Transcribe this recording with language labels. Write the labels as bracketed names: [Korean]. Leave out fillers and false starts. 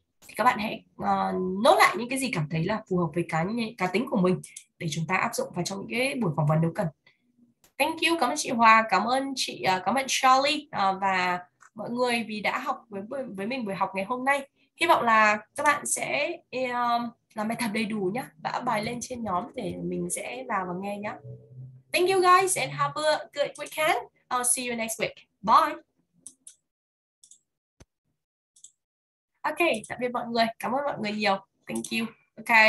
[Vietnamese] Thì các bạn hãy nốt lại những cái gì cảm thấy là phù hợp với cá tính của mình để chúng ta áp dụng vào trong những cái buổi phỏng vấn nếu cần. [English] Thank you, [Vietnamese] cảm ơn chị Hòa, cảm ơn chị, cảm ơn Charlie và mọi người vì đã học với mình buổi học ngày hôm nay. Hy vọng là các bạn sẽ làm bài tập đầy đủ nhé, đã bài lên trên nhóm để mình sẽ vào và nghe nhé. [English] Thank you guys and have a good weekend. I'll see you next week. Bye. [Vietnamese] Ok, tạm biệt mọi người. Cảm ơn mọi người nhiều. [English] Thank you. Ok.